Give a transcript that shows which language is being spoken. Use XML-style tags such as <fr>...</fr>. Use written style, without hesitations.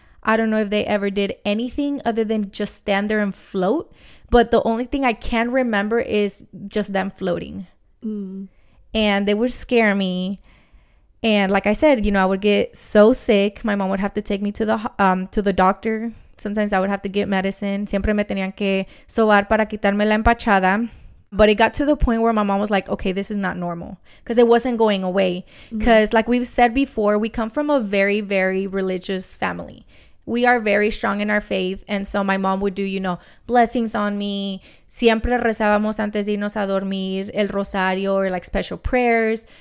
<en>I don't know if they ever did anything other than just stand there and float. But the only thing I can remember is just them floating. Mm. And they would scare me. And like I said, you know, I would get so sick. My mom would have to take me to the doctor. Sometimes I would have to get medicine.</en> <es>Siempre me tenían que sobar para quitarme la empachada.</es> <en>But it got to the point where my mom was like, okay, this is not normal. Because it wasn't going away. Because mm-hmm. like we've said before, we come from a very, very religious family. We are very strong in our faith. And so my mom would do, you know, blessings on me.</en> <es>Siempre rezábamos antes de irnos a dormir el rosario</es> <en>or like special prayers.</en>